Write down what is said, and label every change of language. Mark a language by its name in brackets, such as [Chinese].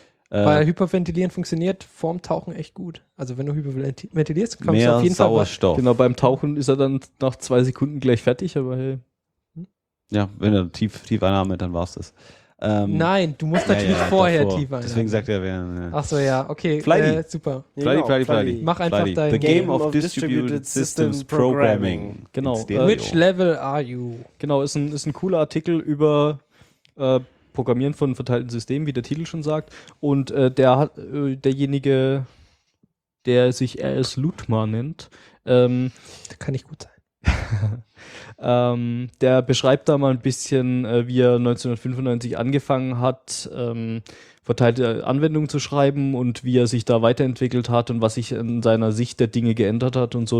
[German] Weil Hyperventilieren funktioniert vorm Tauchen echt gut. Also wenn du hyperventilierst, kommst mehr du auf jeden Sauerstoff. Fall was. Genau, beim Tauchen ist er dann nach 2 Sekunden gleich fertig, aber hey. Ja, wenn er tief einatmet, dann war's das. Nein, du musst natürlich vorher tief einatmen. Deswegen sagt er, wer... Ja. Achso, ja, okay. Flighty. Super. Flighty. Mach einfach Flighty. Dein... [English] The game of distributed systems programming. [German] Genau. [English] Which level are you? [German] Genau, ist ein cooler Artikel über... Programmieren von verteilten Systemen, wie der Titel schon sagt. Und derjenige, der sich R.S. Lutmar nennt, der kann nicht gut sein. Der beschreibt da mal ein bisschen, wie er 1995 angefangen hat, verteilte Anwendungen zu schreiben und wie er sich da weiterentwickelt hat und was sich in seiner Sicht der Dinge geändert hat und so.